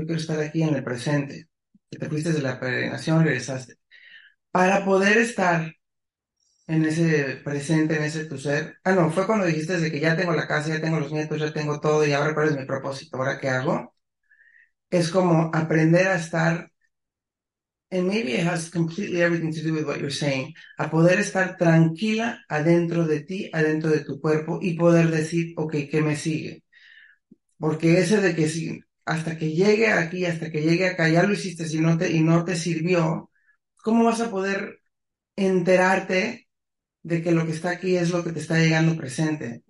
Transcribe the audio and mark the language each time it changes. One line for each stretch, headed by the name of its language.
Spanish: Yo quiero estar aquí en el presente. Te fuiste de la peregrinación, regresaste. Para poder estar en ese presente, en ese tu ser. Ah, no, fue cuando dijiste de que ya tengo la casa, ya tengo los nietos, ya tengo todo y ahora cuál es mi propósito, ahora qué hago. Es como aprender a estar.
English: And maybe it has completely everything to do with what you're saying.
Spanish: A poder estar tranquila adentro de ti, adentro de tu cuerpo y poder decir, ok, ¿qué me sigue? Porque ese de que si hasta que llegue aquí, hasta que llegue acá, ya lo hiciste si no te, y no te sirvió, ¿cómo vas a poder enterarte de que lo que está aquí es lo que te está llegando presente?